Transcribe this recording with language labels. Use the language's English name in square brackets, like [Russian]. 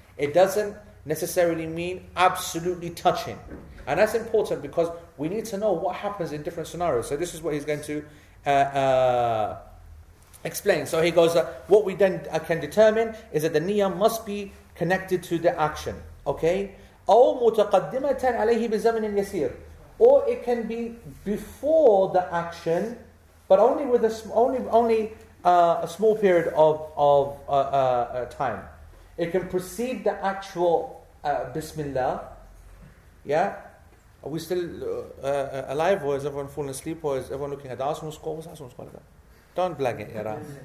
[English] It doesn't necessarily mean absolutely touching. And that's important because we need to know what happens in different scenarios. So this is what he's going to explain. So he goes, what we then can determine is that the niyyah must be connected to the action. Okay? [Arabic] أو متقدمة عليه بزمن يسير. [English] Or it can be before the action, but only with a small period of time. It can precede the actual Bismillah. Yeah? Are we still alive, or is everyone falling asleep, or is everyone looking at the Arsenal score? What's Arsenal score like that? Don't blag it, Iran.